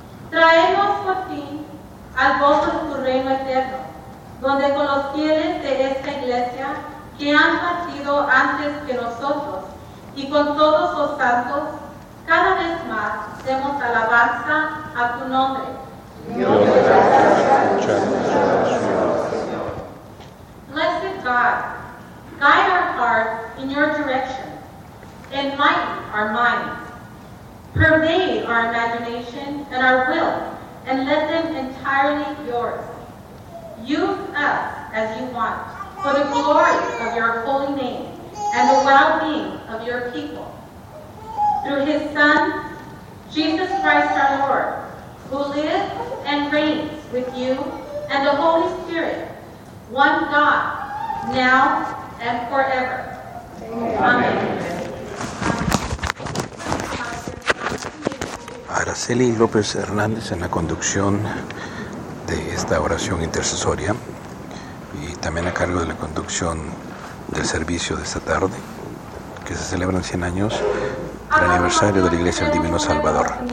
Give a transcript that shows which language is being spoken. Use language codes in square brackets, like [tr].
[es] traemos por fin al gozo de tu reino eterno, donde con los fieles de esta iglesia que han partido antes que nosotros y con todos los santos, cada vez más demos alabanza a tu nombre. [en] Blessed God, guide our hearts in your direction, enlighten our minds, pervade our imagination and our will, and let them entirely yours. Use us as you want, for the glory of your holy name and the well-being of your people. Through his Son, Jesus Christ our Lord, who lives and reigns with you and the Holy Spirit, one God, now and forever. Amen. [es] Araceli López Hernández en la conducción de esta oración intercesoria y también a cargo de la conducción del servicio de esta tarde, que se celebran 100 años del aniversario de la Iglesia del Divino Salvador.